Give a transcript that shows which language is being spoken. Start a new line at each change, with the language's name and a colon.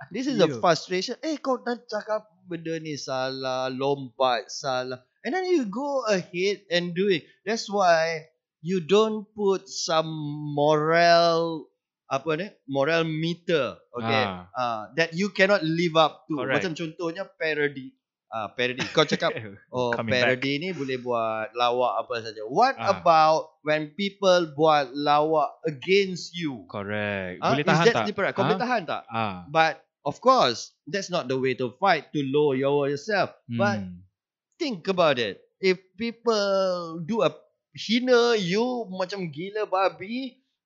English: This is the frustration.
Malay: Eh, kau dah cakap benda ni salah, lompat salah.
English: And then you go ahead and do it. That's why you don't put some moral moral meter, okay, that you cannot live up to. Correct.
Malay: Macam contohnya parody. Parody. Kau cakap, parody ni boleh buat lawak apa saja.
English: What about when people
Malay: buat lawak
English: against you? Correct.
Malay: Boleh tahan tak?
English: Different?
Malay: Kau boleh tahan tak?
English: But, of course, that's not the way to fight, to lower yourself. But, think about it. If people do a hina you
Malay: macam gila babi,